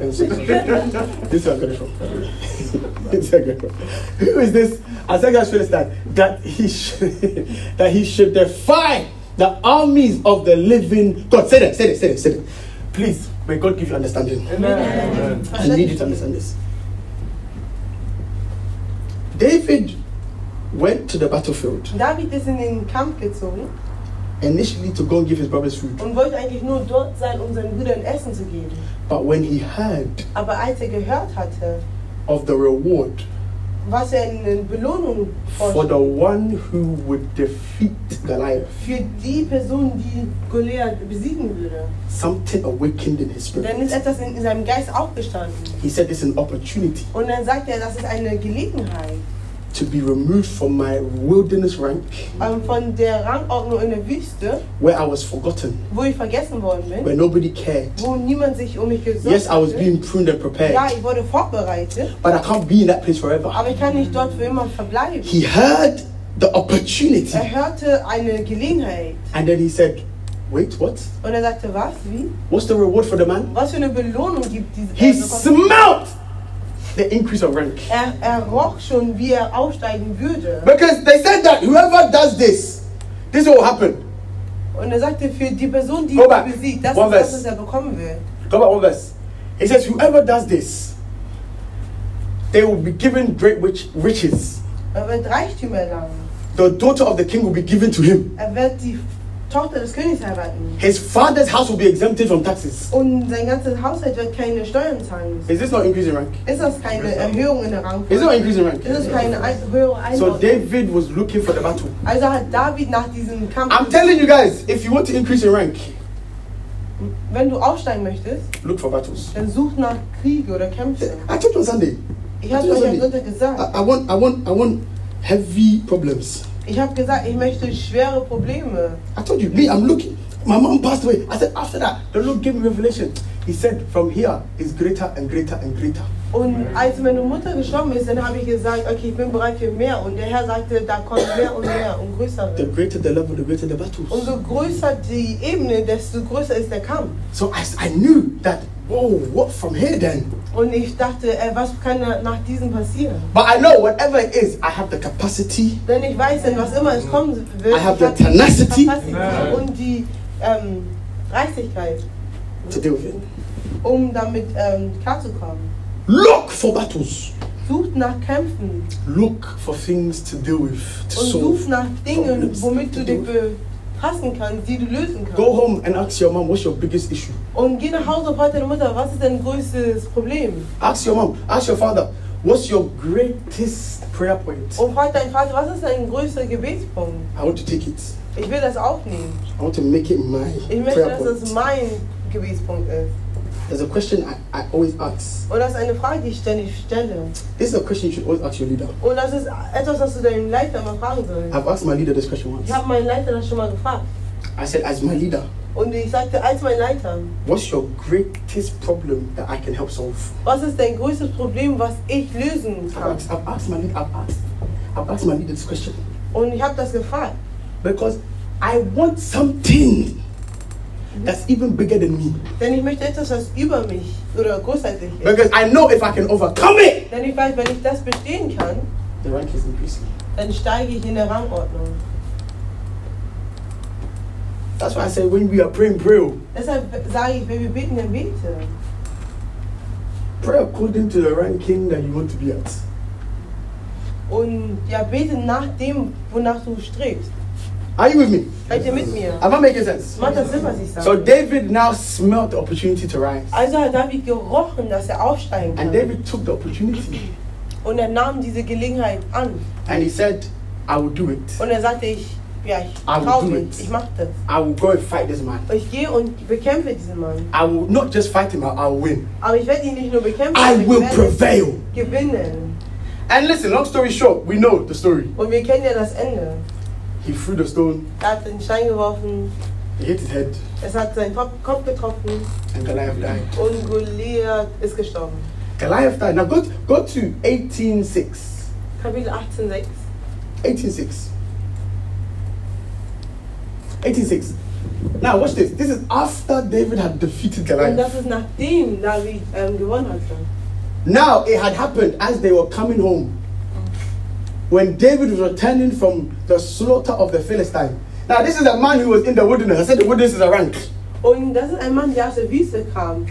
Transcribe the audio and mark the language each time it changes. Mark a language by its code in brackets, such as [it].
[en] This is where I got it from. Who is this uncircumcised Philistine that he should defy the armies of the living God? Say that. Please, may God give you understanding. Amen. I need you to understand this. David went to the battlefield. [de] David ist in den Kampf gezogen. [en] Initially to go and give his brothers food. [de] Und wollte eigentlich nur dort sein, um seinen Brüdern Essen zu geben. [en] But when he heard, [de] aber als er gehört hatte, [en] of the reward, [de] was er in den Belohnung [en] for vorstellt, the one who would defeat Goliath, [de] für die Person, die Goliath besiegen würde, [en] something awakened in his spirit. [de] Dann ist etwas in seinem Geist aufgestanden. [en] He said it's an opportunity. [de] Und dann sagt er, das ist eine Gelegenheit. [en] To be removed from my wilderness rank. [de] Von der Rangordnung in der Wüste. [en] Where I was forgotten. [de] Wo ich vergessen worden bin. [en] Where nobody cared. [de] Wo niemand sich um mich gesorgt. [en] Yes, I was being pruned and prepared. [de] Ja, ich wurde vorbereitet. [en] But I can't be in that place forever. [de] Aber ich kann nicht dort für immer verbleiben. [en] He heard the opportunity. [de] Er hörte eine Gelegenheit. [en] And then he said, wait, what? [de] Und er sagte, was? Wie? [en] What's the reward for the man? [de] Was für eine Belohnung gibt diese [en] Person? He smelt the increase of rank. [de] Er roch schon, wie er aufsteigen würde. [en] Because they said that whoever does this, this will happen. [de] Und er sagte, für die Person, die ihn besiegt, das ist das, was er bekommen wird. [en] Go back one verse. He says, whoever does this, they will be given great riches. [de] Er wird Reichtümer erlangen. [en] The daughter of the king will be given to him. [de] Er wird die Tochter des Königs heiraten. [en] His father's house will be exempted from taxes. [de] Und sein ganzes Haushalt wird keine Steuern zahlen müssen. [en] Is this not increasing rank? [de] Ist das keine Erhöhung in der Rangfolge? [en] Is it not increasing rank? [de] Ist das keine Erhöhung? [en] So David was looking for the battle. [de] Also hat David nach diesem Kampf. [en] I'm telling you guys, if you want to increase your rank, [de] wenn du aufsteigen möchtest, [en] look for battles. [de] Dann such nach Kriege oder Kämpfe. [en] I told you on Sunday. [de] Ich habe euch am Sonntag gesagt. [en] I want heavy problems. [de] Ich habe gesagt, ich möchte schwere Probleme. [en] I told you, me, I'm looking. My mom passed away. I said, after that, the Lord gave me revelation. He said, from here is greater and greater and greater. [de] Und als meine Mutter gestorben ist, dann habe ich gesagt, okay, ich bin bereit für mehr. Und der Herr sagte, da kommt mehr und mehr und größer. [en] The greater the level, the greater the battles. [de] Und so größer die Ebene, desto größer ist der Kampf. [en] So I knew that. Whoa, what from here then? [de] Und ich dachte, was kann nach diesem passieren? [en] But I know whatever it is, I have the capacity. [de] Denn ich weiß, denn was immer es kommen wird, [en] I have the tenacity [de] und die Reichlichkeit. [en] To deal with it. [de] Um damit klarzukommen. [en] Look for battles. [de] Sucht nach Kämpfen. [en] Look for things to deal with. To [de] und [en] solve [de] such nach Dingen, womit du dich befassen kannst, die du lösen kannst. [en] Go home and ask your mom, what's your biggest issue? [de] Und geh nach Hause und frag deine Mutter, was ist dein größtes Problem? [en] Ask your mom, ask your father, what's your greatest prayer point? [de] Und frag deinen Vater, was ist dein größter Gebetspunkt? [en] I want to take it. [de] Ich will das aufnehmen. [en] I want to make it my prayer point. [de] Ich möchte, dass es mein Gebetspunkt ist. [en] There's a question I always ask. [de] Und das ist eine Frage, die ich ständig stelle. [en] This is a question you should always ask your leader. [de] Und das ist etwas, was du deinem Leiter mal fragen sollst. [en] I've asked my leader this question once. [de] Ich habe meinen Leiter das schon mal gefragt. [en] I said, as my leader. [de] Und ich sagte, als mein Leiter. [en] What's your greatest problem that I can help solve? [de] Was ist dein größtes Problem, was ich lösen kann? [en] I've asked my leader this question. [de] Und ich habe das gefragt. [en] Because I want something. That's even bigger than me. [de] Denn ich möchte etwas, was über mich oder großartig ist. [en] Because I know if I can overcome it. [de] Denn ich weiß, wenn ich das bestehen kann, [en] the rank is increasing. [de] Dann steige ich in der Rangordnung. [en] That's why I say when we are praying, pray. [de] Deshalb sage ich, wenn wir beten, dann bete. [en] Pray according to the ranking that you want to be at. [de] Und ja, bete nach dem, wonach du strebst. [en] Are you with me? [de] Seid ihr mit mir? [en] Am I making sense? [de] Macht das Sinn, was ich sage? [en] So David now smelled the opportunity to rise. [de] Also hat David gerochen, dass er aufsteigen kann. [en] And David took the opportunity. [de] Und er nahm diese Gelegenheit an. [en] And he said, I will do it. [de] Und er sagte, ich mach das. [en] I will go and fight this man. [de] Ich gehe und bekämpfe diesen Mann. [en] I will not just fight him, I will win. [de] Aber ich werde ihn nicht nur bekämpfen, [en] I will prevail. [de] Gewinnen. [en] And listen, long story short, we know the story. [de] Und wir kennen ja das Ende. [en] He threw the stone. [de] Er hat den Stein geworfen. [en] He hit his head. [de] Es hat seinen Kopf getroffen. [en] And Goliath died. [de] Und Goliath ist gestorben. [en] Goliath died. Now go to 18:6. [de] Kapitel 18:6. 18:6. [en] 18:6. Now watch this. This is after David had defeated Goliath. [de] Und das ist nachdem David gewonnen hat. [en] Now it had happened as they were coming home. When David was returning from the slaughter of the Philistine. Now this is a man who was in the wilderness. I said the wilderness is a rank. [de] Und das ist ein Mann, der aus der Wüste kam.